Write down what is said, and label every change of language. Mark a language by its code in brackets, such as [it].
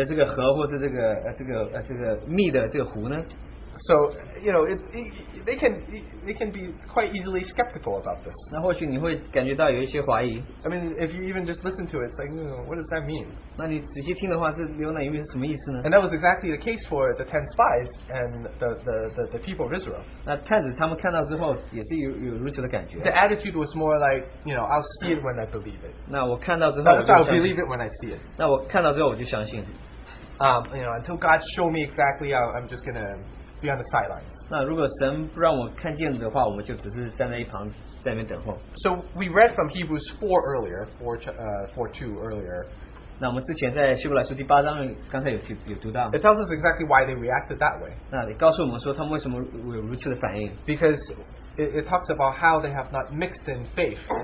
[zh] 那你这是有奶的这个河或是这个蜜的这个湖呢? [en] So, you know, they can be quite easily skeptical about this. [zh] 那或许你会感觉到有一些怀疑。 [en] I mean, if you even just listen to it, it's like, you know, what does that mean? [zh] 那你仔细听的话, 这牛奶与蜜是什么意思呢? [en] And that was exactly the case for the 10 spies and the people of Israel. [zh] 那探子他们看到之后也是有如此的感觉。 [en] The attitude was more like, you know, I'll see it when I believe it. [zh] 那我看到之后我就相信。 [en] I'll believe it when I see it. [zh] 那我看到之后我就相信。 [en] You know, until God show me exactly, I'm just going to be on the sidelines. [zh] 那如果神不让我看见的话, 我们就只是站在一旁在那边等候。 [en] So we read from Hebrews 4 earlier, 4:2 earlier. [zh] 那我们之前在希伯来书第八章刚才有读到。 [en] It tells us exactly why they reacted that way. [zh] 那你告诉我们说他们为什么有如此的反应。 [en] Because it talks about how they have not mixed in faith.